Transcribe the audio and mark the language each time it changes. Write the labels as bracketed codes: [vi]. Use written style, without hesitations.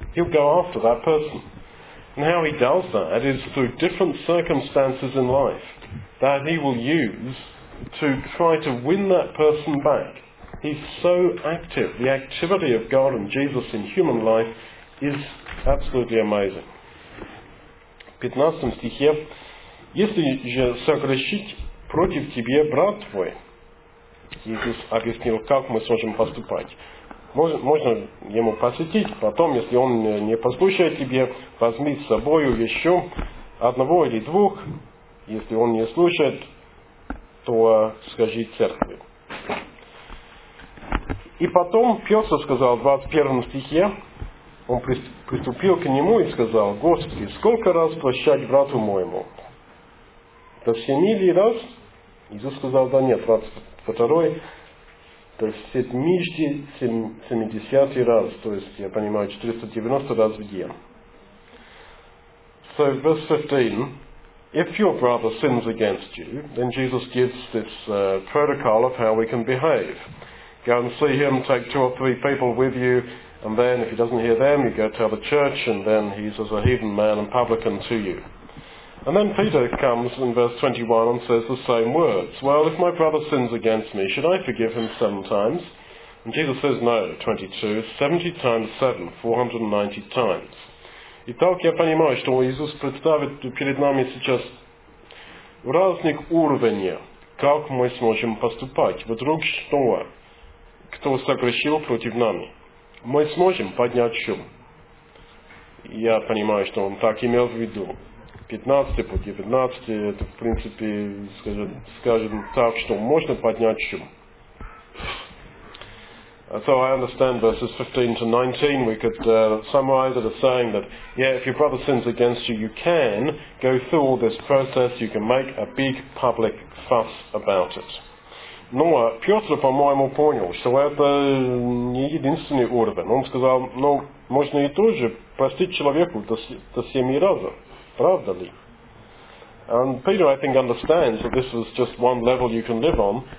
[en] He'll go after that person. And how he does that is through different circumstances in life that he will use to try to win that person back He's so active. The activity of God and Jesus in human life is absolutely amazing. [ru] В 15 стихе: «Если же согрешить против тебе брат твой», Иисус объяснил, как мы сможем поступать. Можно ему посетить, потом, если он не послушает тебе, возьми с собою еще одного или двух. Если он не слушает, то скажи церкви. И потом Петр сказал в 21 стихе, он приступил к нему и сказал: «Господи, сколько раз прощать брату моему? До 70 раз?» Иисус сказал: «Да нет, 22-й, то есть 70 раз, то есть, я понимаю, 490 раз в день». [en] So, verse 15, if your brother sins against you, then Jesus gives this protocol of how we can behave. Go and see him, take two or three people with you, and then if he doesn't hear them, you go tell the church, and then he's as a heathen man and publican to you. And then Peter comes in verse 21 and says the same words. Well, if my brother sins against me, should I forgive him 7 times? And Jesus says no, 22, 70 times 7, 490 times. [ru] Итак, я понимаю, что Иисус представит перед нами сейчас разных уровней, как мы сможем поступать. Вдруг что? Кто согрешил против нами? Мы сможем поднять шум. Я понимаю, что он так имел в виду. 15 по 19, это в принципе, скажем так, что можно поднять шум. [en] So I understand verses 15 to 19, we could summarize it as saying that, yeah, if your brother sins against you, you can go through all this process, you can make a big public fuss about it. [ru] Но Петр, по-моему, понял, что это не единственный уровень. Он сказал, ну, можно и тут же простить человеку до 7 раза. Правда ли? [en] And Peter, I think, understands that this is just one level you can live on.